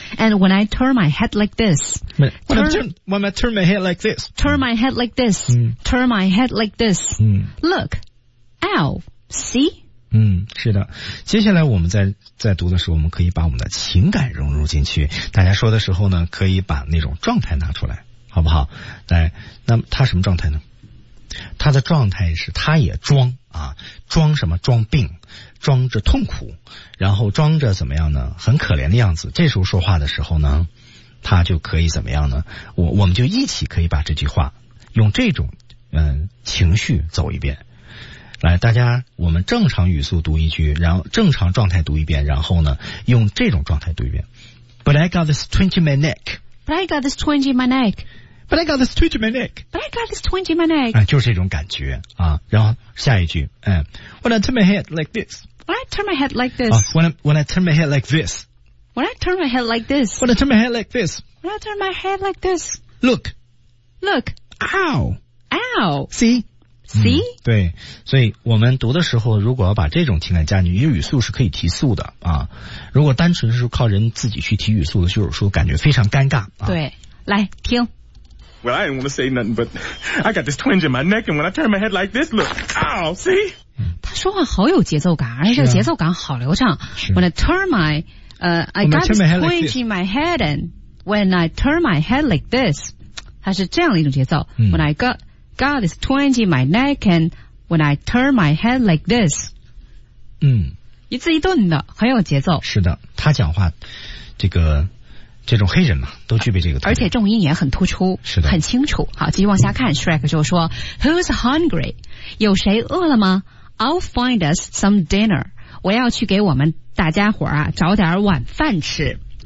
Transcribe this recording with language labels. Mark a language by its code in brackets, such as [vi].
[en] And when I turn my head like this， when I turn my head like this， turn my head like this， turn my head like this， look， ow。 See， [zh] 嗯，是的。接下来我们在读的时候，我们可以把我们的情感融入进去。大家说的时候呢，可以把那种状态拿出来，好不好？来，那么他什么状态呢？他的状态是他也装啊，装什么？装病，装着痛苦，然后装着怎么样呢？很可怜的样子。这时候说话的时候呢，他就可以怎么样呢？我们就一起可以把这句话用这种情绪走一遍。来，大家，我们正常语速读一句，然后正常状态读一遍，然后呢，用这种状态读一遍。 [en] But I got this twinge in my neck. But I got this twinge in my neck. But I got this twinge in my neck. But I got this twinge in my neck. [zh] 哎，就是这种感觉啊。然后下一句，哎 ， [en] When I turn my head like this. When I turn my head like this.、 When I turn my head like this. When I turn my head like this. When I turn my head like this. When I turn my head like this. Look. Look. Ow. Ow. See. See?、 [zh] 嗯、对，所以我们读的时候，如果要把这种情感加进去，语速是可以提速的啊。如果单纯是靠人自己去提语速的，就是说感觉非常尴尬、啊、对，来听。 [en] Well, I didn't want to say nothing, but I got this twinge in my neck, and when I turn my head like this, look, ow, see?、嗯、 [zh] 他说话好有节奏感，而且节奏感好流畅。 [en] When I turn my, I got this twinge in my head, and when I turn my head like this, [zh] 它是这样的一种节奏。嗯、 [en] when I got this twinge in my neck, and when I turn my head like this, 嗯， [zh] 一字一顿的，很有节奏。是的，他讲话，这种黑人嘛，都具备这个特点，而且重音也很突出，是的，很清楚。好，继续往下看、嗯、，Shrek 就说 ， [en] Who's hungry? [zh] 有谁饿了吗 ？ [en] I'll find us some dinner. [zh] 我要去给我们大家伙啊找点晚饭吃。